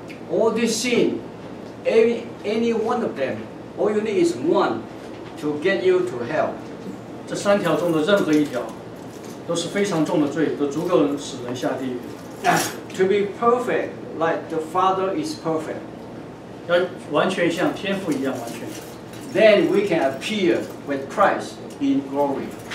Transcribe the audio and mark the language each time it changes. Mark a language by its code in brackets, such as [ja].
[en] All these sins, any one of them, all you need is one to get you to hell. [zh] 这三条中的任何一条 都是非常重的罪，都足够使人下地狱。 [en] To be perfect, like the Father is perfect. [zh] 要完全像天父一样完全。 [en] Then we can appear with Christ in glory.